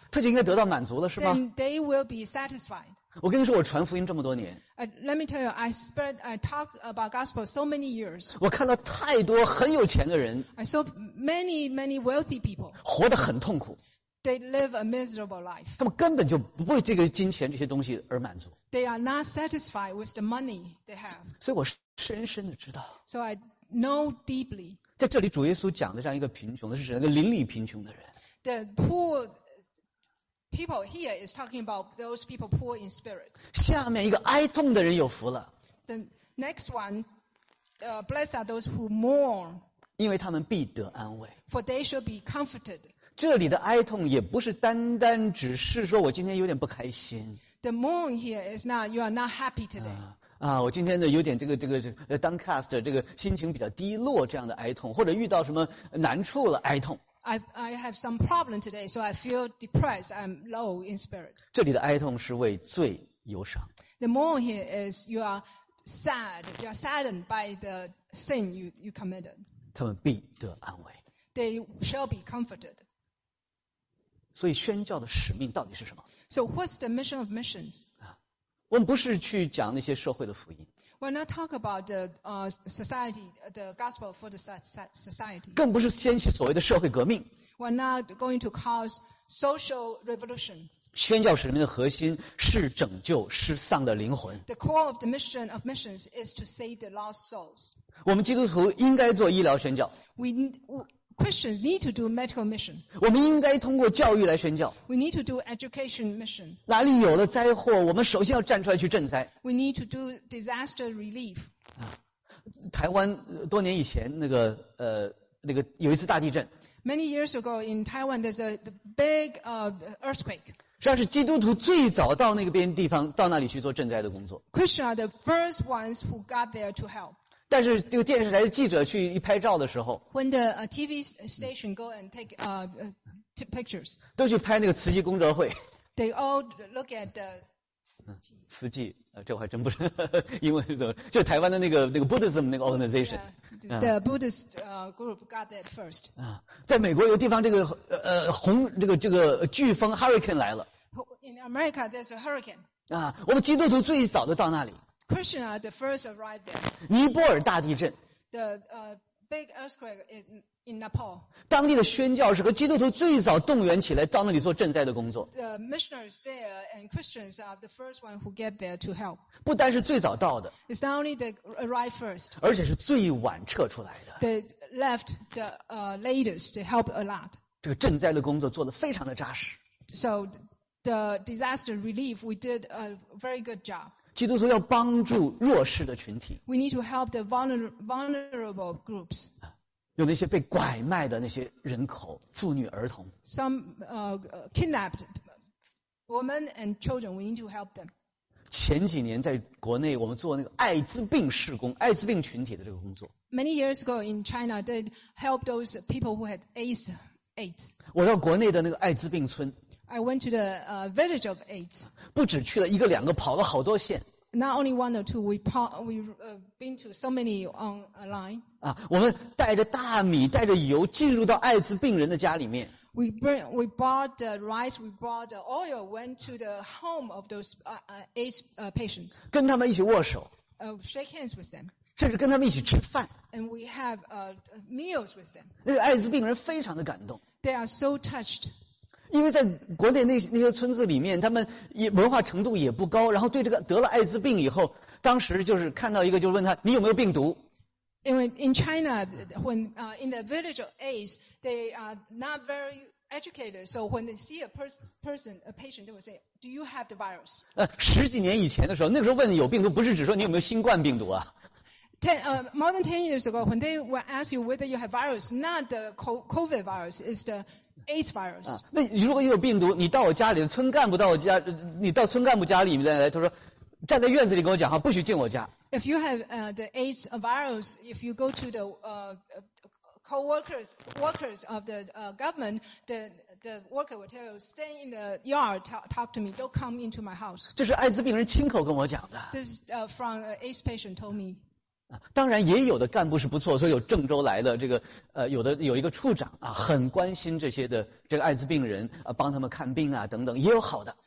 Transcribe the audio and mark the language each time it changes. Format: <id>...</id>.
<zh>他就应该得到满足了是吗</zh> <en>Then they will be satisfied.</en> <zh>我跟你说，我传福音这么多年。</zh> <en>Let me tell you, I talk about gospel so many years.</en> <zh>我看到太多很有钱的人。</zh> <en>I saw many, many wealthy people.</en> <zh>活得很痛苦。</zh> <en>They live a miserable life.</en> <zh>他们根本就不为这个金钱这些东西而满足。</zh> <en>They are not satisfied with the money they have.</en> <zh>所以我深深的知道。</zh> <en>So I know deeply.</en> <zh>在这里，主耶稣讲的这样一个贫穷的是指那个邻里贫穷的人。</zh> <en>The poor. People here is talking about those people poor in spirit.</en> <zh>下面一个哀痛的人有福了。</zh> <en>The next one, blessed are those who mourn.</en> <zh>因为他们必得安慰。</zh> <en>For they shall be comforted.</en> <zh>这里的哀痛也不是单单只是说我今天有点不开心。</zh> <en>The mourn here is not you are not happy today.</en> <zh>我今天呢有点这个 downcast 这个心情比较低落这样的哀痛，或者遇到什么难处了哀痛。</zh> <en>I have some problem today, so I feel depressed. I'm low in spirit.</en> <zh>这里的哀痛是为罪忧伤。</zh> <en>The mourn here is you are sad. You are saddened by the sin you committed.</en> <zh>他们必得安慰。</zh> <en>They shall be comforted.</en> <zh>所以宣教的使命到底是什么</zh> <en>？So what's the mission of missions?</en> <zh>我们不是去讲那些社会的福音。</zh> <en>We're not talk about the society, the gospel for the society.</en> <zh>更不是掀起所谓的社会革命。</zh> <en>We're not going to cause social revolution.</en> <zh>宣教使命的核心是拯救失丧的灵魂。</zh> <en>The core of the mission of missions is to save the lost souls.</en> <zh>我们基督徒应该做医疗宣教。</zh> <en>Christians need to do medical mission.</en> <zh>我们应该通过教育来宣教。</zh> <en>We need to do education mission.</en> <zh>哪里有了灾祸，我们首先要站出来去赈灾。</zh> <en>We need to do disaster relief.</en> <zh>台湾多年以前那个有一次大地震。</zh> <en>Many years ago in Taiwan, there's a big earthquake.</en> <zh>实际上是基督徒最早到那个边地方，到那里去做赈灾的工作。</zh> <en>Christians are the first ones who got there to help.</en> <zh>但是这个电视台的记者去一拍照的时候</zh> <en>When the TV station go and take pictures</en> <zh>都去拍那个慈济功德会</zh> <en>They all look at the</en> <zh>慈济这我还真不是英文怎么就台湾的那个 Buddhism 那个 organization</zh> <en>The Buddhist group got that first</en> <zh>在美国有地方这个红这个飓风 Hurricane 来了</zh> <en>In America there's a hurricane</en> <zh>我们基督徒最早的到那里</zh> <en>Christians are the first arrived there.</en> <zh>尼泊尔大地震。</zh> <en>The big earthquake in Nepal.</en> <zh>当地的宣教士和基督徒最早动员起来到那里做赈灾的工作。</zh> <en>The missionaries there and Christians are the first one who get there to help.</en> <zh>不单是最早到的。</zh> <en>It's not only they arrive first.</en> <zh>而且是最晚撤出来的。</zh> <en>They left the latest to help a lot.</en> <zh>这个赈灾的工作做得非常的扎实。</zh> <en>So the disaster relief we did a very good job.</en> <zh>基督徒要帮助弱势的群体。</zh> <en>We need to help the vulnerable groups.</en> <zh>有那些被拐卖的那些人口，妇女儿童。</zh> <en>Some kidnapped women and children. We need to help them.</en> <zh>前几年在国内，我们做那个艾滋病事工，艾滋病群体的这个工作。</zh> <en>Many years ago in China, they helped those people who had AIDS.</en> <zh>我到国内的那个艾滋病村。</zh> <en>I went to the village of AIDS.</en> <zh>不只去了一个两个，跑了好多县。</zh> <en>not only one or two, we've been to so many on a line.</en> <zh>啊，我们带着大米，带着油，进入到艾滋病人的家里面。</zh> <en>We brought the rice, we brought the oil, went to the home of those AIDS patients.</en> <zh>跟他们一起握手。</zh> <en>Shake hands with them.</en> <zh>甚至跟他们一起吃饭。</zh> <en>And we have meals with them.</en> <zh>那个艾滋病人非常的感动。</zh> <en>They are so touched.</en> <zh>因为在国内那些村子里面，他们也文化程度也不高，然后对这个得了艾滋病以后，当时就是看到一个就问他，你有没有病毒？因为</zh> <en>in China, when in the village of AIDS, they are not very educated, so when they see a person, a patient, they will say, "Do you have the virus?"</en> <zh>十几年以前的时候，那个时候问有病毒，不是只说你有没有新冠病毒啊。</zh> <en>More than 10 years ago, when they will ask you whether you have virus, not the COVID virus, it's the AIDS virus.</en> <zh>那如果有病毒，你到我家里，村干部到我家，你到村干部家里面来，他说，站在院子里跟我讲话，不许进我家。</zh> <en>If you have the AIDS virus, if you go to the co-workers of the government, the worker will tell you, stay in the yard, talk to me, don't come into my house.</en> <zh>这是艾滋病人亲口跟我讲的。</zh> <en>This is from an AIDS patient told me.</en> <zh>当然也有的干部是不错，所以有郑州来的这个有的有一个处长啊，很关心这些的这个艾滋病人啊，帮他们看病啊等等，也有好的。</zh>